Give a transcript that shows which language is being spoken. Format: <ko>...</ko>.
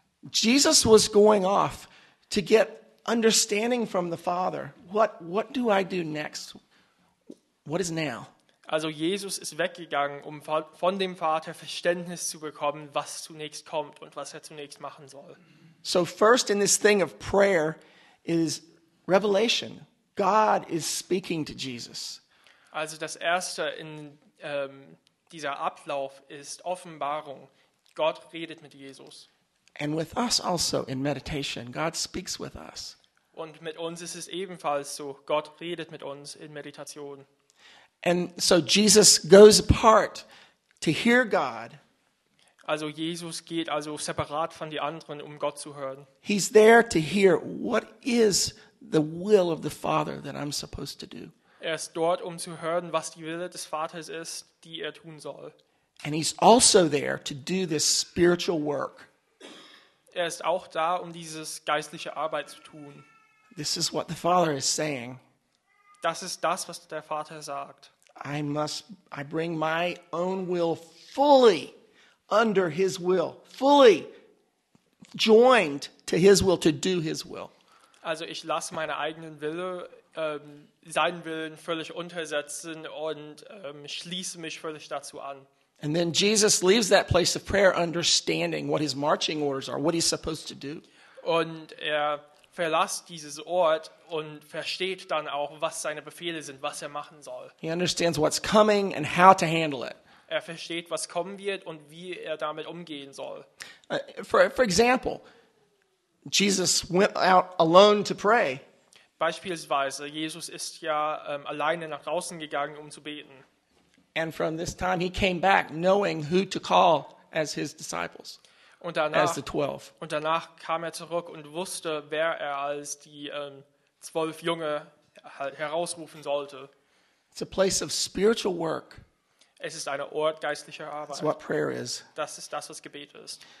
<en>Jesus was going off to get understanding from the Father. What do I do next? What is now?</en> <de>Also Jesus ist weggegangen, um von dem Vater Verständnis zu bekommen, was zunächst kommt und was er zunächst machen soll.</de> <en>So first in this thing of prayer is revelation. God is speaking to Jesus.</en> <de>Also das erste in dieser Ablauf ist Offenbarung. Gott redet mit Jesus.</de> <en>And with us also in meditation, God speaks with us.</en> <de>Und mit uns ist es ebenfalls so. Gott redet mit uns in Meditation.</de> <en>And so Jesus goes apart to hear God.</en> <de>Also Jesus geht also separat von den anderen, um Gott zu hören.</de> <en>He's there to hear what is the will of the Father that I'm supposed to do.</en> <de>Er ist dort, um zu hören, was die Wille des Vaters ist, die er tun soll.</de> <en>And he's also there to do this spiritual work.</en> <de>Er ist auch da, um dieses geistliche Arbeit zu tun.</de> <en>This is what the Father is saying.</en> <de>Das ist das, was der Vater sagt.</de> <en>I bring my own will fully under his will, fully joined to his will, to do his will.</en> <de>Also ich lasse meine eigenen Wille, seinen Willen völlig untersetzen und schließe mich völlig dazu an.</de> <en>And then Jesus leaves that place of prayer understanding what his marching orders are, what he's supposed to do.</en> <de>Und er verlässt dieses Ort und versteht dann auch, was seine Befehle sind, was er machen soll.</de> <en>He understands what's coming and how to handle it.</en> <de>Er versteht, was kommen wird und wie er damit umgehen soll.</de> <en>For example, Jesus went out alone to pray.</en> <de>Beispielsweise, Jesus ist ja alleine nach draußen gegangen, um zu beten.</de> <en>And from this time he came back knowing who to call as his disciples.</en> <de>Und danach kam er zurück und wusste, wer er als die 12 Junge herausrufen sollte.</de> <en>It's a place of spiritual work.</en> <de>Es ist ein Ort geistlicher Arbeit.</de> <en>That's what prayer is.</en> <de>Das ist das, was Gebet ist.</de>